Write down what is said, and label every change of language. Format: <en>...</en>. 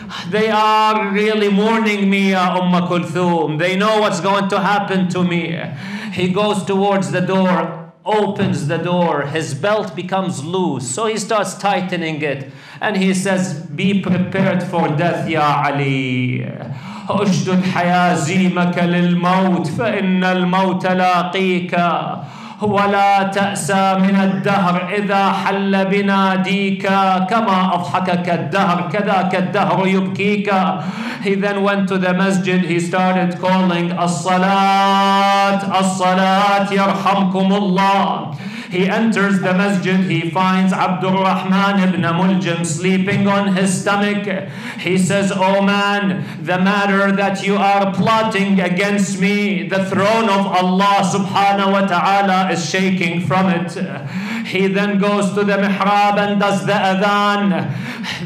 <en>They are really mourning me, ya Umm Kulthum. They know what's going to happen to me. He goes towards the door, opens the door, his belt becomes loose, so he starts tightening it, and he says, be prepared for death, ya Ali.</en> <ar>أُشْدُدْ حَيَازِيمَكَ لِلْمَوْتِ فَإِنَّ الْمَوْتَ لَاقِيكَ ولا تأسى من الدهر إذا حل بنا ديكا كما أضحكك الدهر كذاك الدهر يبكيك.</ar> <en>He then went to the masjid. He started calling</en> <ar>الصلاة الصلاة يرحمكم الله.</ar> <en>He enters the masjid. He finds Abdul Rahman ibn Muljim sleeping on his stomach. He says, oh man, the matter that you are plotting against me, the throne of Allah subhanahu wa ta'ala is shaking from it. He then goes to the mihrab and does the adhan.</en>